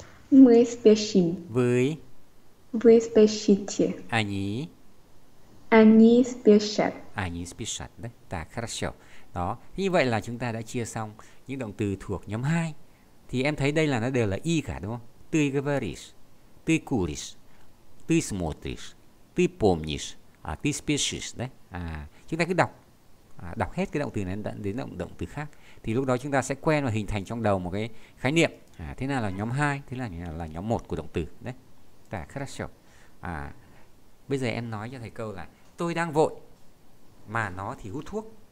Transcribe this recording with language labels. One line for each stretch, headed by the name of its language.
Russian: Мы спешим. Вы. Вы спешите. Они. Они спешат. À, như special đấy, ta crucial.
Vietnamese: Đó, như vậy là chúng ta đã chia xong những động từ thuộc nhóm 2. Thì em thấy đây là nó đều là y cả đúng không?
Russian: Ты говоришь, ты куришь, ты смотришь, ты помнишь, à, ты спешишь đấy.
Vietnamese: À, chúng ta cứ đọc, à, đọc hết cái động từ này dẫn đến động động từ khác. Thì lúc đó chúng ta sẽ quen và hình thành trong đầu một cái khái niệm. À, thế nào là nhóm 2, thế nào là nhóm 1 của động từ đấy. Ta crucial. À, bây giờ em nói cho thầy câu là tôi đang vội mà nó thì hút thuốc.